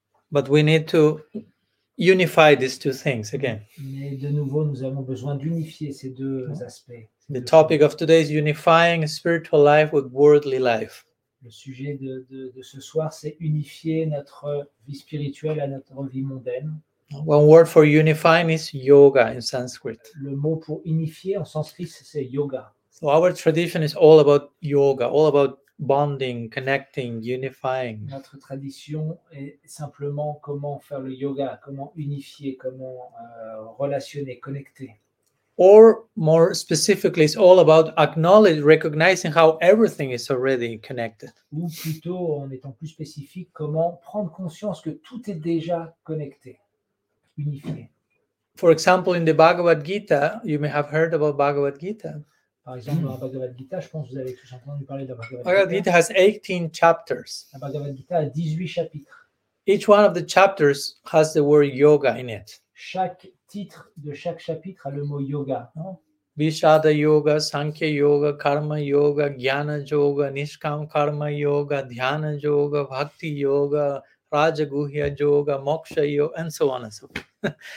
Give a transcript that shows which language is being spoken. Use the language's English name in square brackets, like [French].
[English] But we need to unify these two things again. [French] Mais de nouveau, nous avons besoin d'unifier ces deux aspects. [English] The topic of today is unifying spiritual life with worldly life. [French] Le sujet de ce soir, c'est unifier notre vie spirituelle à notre vie mondaine. [English] One word for unifying is yoga in Sanskrit. [French] Le mot pour unifier en sanskrit, c'est yoga. [English] So our tradition is all about yoga, all about bonding, connecting, unifying. [French] Notre tradition est simplement comment faire le yoga, comment unifier, comment relationner, connecter. [English] Or more specifically, it's all about acknowledging, recognizing how everything is already connected. [French] Ou plutôt, en étant plus spécifique, comment prendre conscience que tout est déjà connecté, unifié. [English] For example, in the Bhagavad Gita, you may have heard about Bhagavad Gita. [French] Par exemple, dans la Bhagavad Gita, je pense que vous avez tous entendu parler de la Bhagavad Gita. [English] Bhagavad Gita has 18 chapters. [French] La Bhagavad Gita a 18 chapitres. [English] Each one of the chapters has the word yoga in it. [French] Chaque titre de chaque chapitre a le mot yoga. [English] Vishada yoga, Sankhya yoga, Karma yoga, Jnana yoga, Nishkam karma yoga, Dhyana yoga, Bhakti yoga, Rajaguhya yoga, Moksha yoga, and so on and so forth.